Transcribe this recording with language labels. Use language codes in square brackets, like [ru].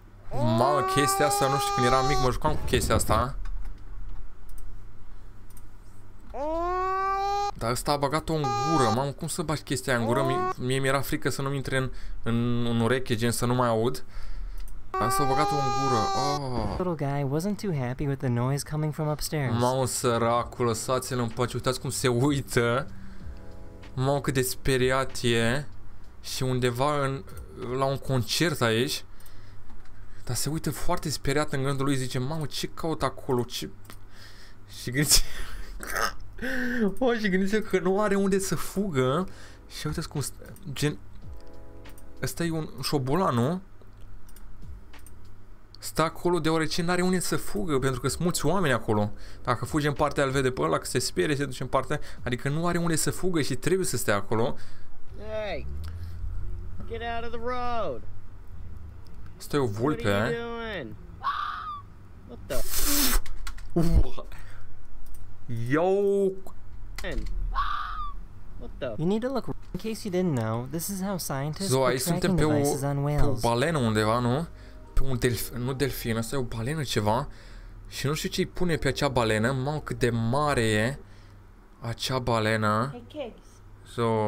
[ro] Mamă, chestia asta, nu știu, când eram mic, mă jucam cu chestia asta. Dar ăsta a băgat-o în gură. Mamă, cum să bagi chestia în gură? Mie mi-era frică să nu-mi intre în ureche, gen să nu mai aud. Dar s-a băgat-o în gură. [en] Little guy wasn't too happy with the noise coming from upstairs. [ro] Mamă, săracul, lăsați-l în pace. Uitați cum se uită. Mamă, cât de speriat e. Și undeva la un concert aici. Dar se uită foarte speriat în gândul lui. Zice, mamă, ce caut acolo? Ce... Și gândește... O, și gândește că nu are unde să fugă. Și uite cum... Gen... Ăsta e un șobolan, nu? Stă acolo deoarece nu are unde să fugă. Pentru că sunt mulți oameni acolo. Dacă fuge în partea, îl vede pe ăla. Că se sperie, se duce în partea. Adică nu are unde să fugă și trebuie să stea acolo. [en] Hey! Get out of the road! [ro] Asta e o vulpe. [en] What are you doing? What the fuck? Yo. What the? You need to look. In case you didn't know, this is how scientists put tracking devices on whales. [ro] Pe o balenă undeva, nu? Pe un delfin, nu delfin, asta e o balenă ceva. Și nu știu ce îi pune pe acea balenă. Mamă, cât de mare e acea balenă. [en] So.